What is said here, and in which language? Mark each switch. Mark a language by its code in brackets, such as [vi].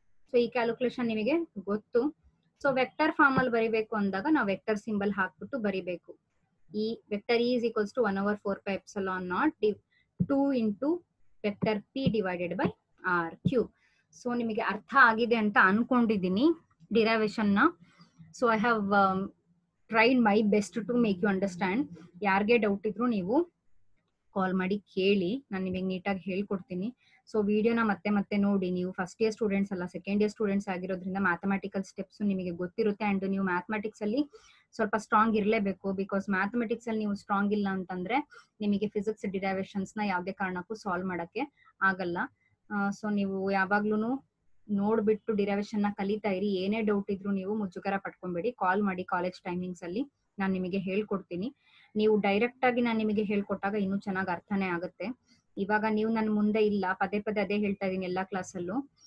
[kn] So ಈ calculation ನಿಮಗೆ ಗೊತ್ತು. ಸೊ ವೆಕ್ಟರ್ ಫಾರ್ಮ್ ಅಲ್ಲಿ ಬರಿಬೇಕು ಅಂದಾಗ ನಾವು ವೆಕ್ಟರ್ ಸಿಂಬಲ್ ಹಾಕ್ಬಿಟ್ಟು ಬರಿಬೇಕು. [en] ಈ vector is equals to 1/4πε0 2×2 vector P divided by R cube. [kn] So ನಿಮಗೆ ಅರ್ಥ ಆಗಿದೆ ಅಂತ ಅನ್ಕೊಂಡಿದೀನಿ ಡಿರೈವೇಷನ್ ನ. [en] So I have tried my best to make you understand. [kn] Yarge doubt idru neevu call madi keli nan nimge neat aagi helikodtini. So video na matte matte nodi neevu first year students alla second year students aagirodrinda mathematical steps nimge gottirutte and neevu mathematics alli ಸ್ವಲ್ಪ strong ಇರಲೇಬೇಕು because mathematics ಅಲ್ಲಿ ನೀವು strong ಇಲ್ಲ ಅಂತಂದ್ರೆ ನಿಮಗೆ physics ಡಿರೈವೇಷನ್ಸ್ನ ಯಾವುದೇ ಕಾರಣಕ್ಕೂ solve ಮಾಡೋಕ್ಕೆ ಆಗಲ್ಲ. ಸೊ ನೀವು ಯಾವಾಗ್ಲೂ ನೋಡ್ಬಿಟ್ಟು ಡಿರೈವೇಷನ್ನ ಕಲಿತಾ ಇರಿ. ಏನೇ ಡೌಟ್ ಇದ್ರು ನೀವು ಮುಜುಗರ ಪಟ್ಕೊಂಬೇಡಿ, ಕಾಲ್ ಮಾಡಿ ಕಾಲೇಜ್ ಟೈಮಿಂಗ್ಸ್ ಅಲ್ಲಿ ನಾನು ನಿಮಗೆ ಹೇಳ್ಕೊಡ್ತೀನಿ. ನೀವು ಡೈರೆಕ್ಟ್ ಆಗಿ ನಾನು ನಿಮಗೆ ಹೇಳ್ಕೊಟ್ಟಾಗ ಇನ್ನೂ ಚೆನ್ನಾಗಿ ಅರ್ಥನೇ ಆಗುತ್ತೆ. ಇವಾಗ ನೀವು ನನ್ನ ಮುಂದೆ ಇಲ್ಲ, ಪದೇ ಪದೇ ಅದೇ ಹೇಳ್ತಾ ಇದ್ದೀನಿ ಎಲ್ಲ ಕ್ಲಾಸಲ್ಲೂ.